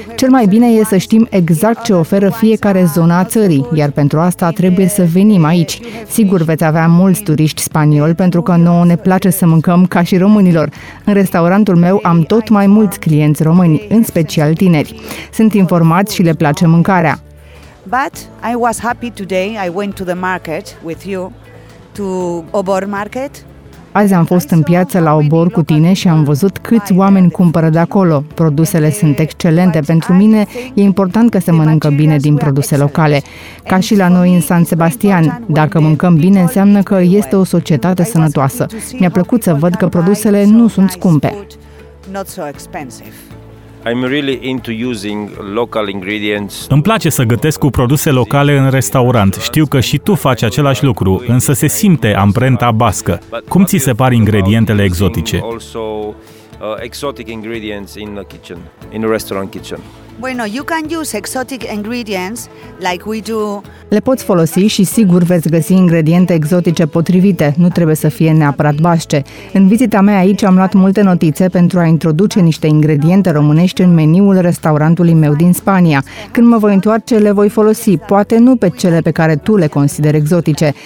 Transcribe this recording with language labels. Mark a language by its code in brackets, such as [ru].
[ro] Cel mai bine e să știm exact ce oferă fiecare zonă a țării, iar pentru asta trebuie să venim aici. Sigur, veți avea mulți turiști spanioli, pentru că nouă ne place să mâncăm ca și românilor. În restaurantul meu am tot mai mulți clienți români, în special tineri. Sunt informați și le place mâncarea. [en] But I was happy today. I went to the market with you to Obor market. [ro] Azi am fost în piață la Obor cu tine și am văzut câți oameni cumpără de acolo. Produsele sunt excelente. Pentru mine e important că se mănâncă bine din produse locale. Ca și la noi în San Sebastian. Dacă mâncăm bine, înseamnă că este o societate sănătoasă. Mi-a plăcut să văd că produsele nu sunt scumpe. [en] Not so expensive. I'm really into using local ingredients. [ro] Îmi place să gătesc cu produse locale în restaurant. Știu că și tu faci același lucru, însă se simte amprenta bască. Cum ți se par ingredientele exotice? [en] Exotic ingredients in the kitchen, in the restaurant kitchen. Bueno, you can use exotic ingredients like we do. [ro] Le poți folosi și sigur veți găsi ingrediente exotice potrivite, nu trebuie să fie neapărat vasce. În vizita mea aici am luat multe notițe pentru a introduce niște ingrediente românești în meniul restaurantului meu din Spania. Când mă voi întoarce, le voi folosi, poate nu pe cele pe care tu le consideri exotice.